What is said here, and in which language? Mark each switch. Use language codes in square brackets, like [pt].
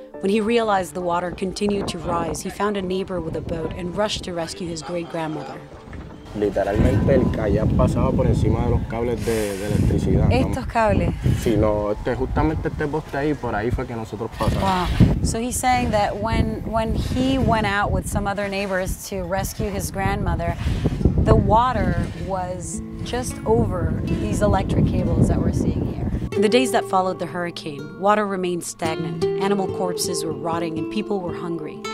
[en] When he realized the water continued to rise, he found a neighbor with a boat and rushed to rescue his great-grandmother. [es] Literalmente el callar pasaba por encima de los cables de electricidad. ¿Estos cables? Sí, no, justamente este poste ahí, por ahí fue que nosotros pasamos. [en] Wow. So he's saying that when he went out with some other neighbors to rescue his grandmother, the water was just over these electric cables that we're seeing here. In the days that followed the hurricane, water remained stagnant, animal corpses were rotting, and people were hungry.